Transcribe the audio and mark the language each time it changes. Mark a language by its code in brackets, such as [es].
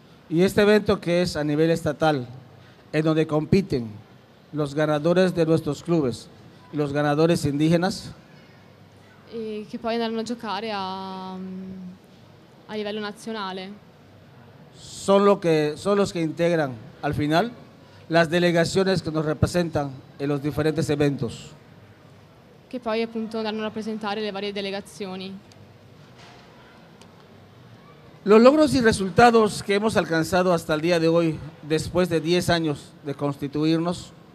[es] Y este evento que es a nivel estatal, en donde compiten los ganadores de nuestros clubes y los ganadores indígenas. [it] E che poi andranno a giocare a livello nazionale. [es] Son los que integran al final las delegaciones que nos representan en los diferentes eventos. [it] Che poi appunto andranno a rappresentare le varie delegazioni. [es] Los logros y resultados que hemos alcanzado hasta el día de hoy, después de 10 años de constituirnos.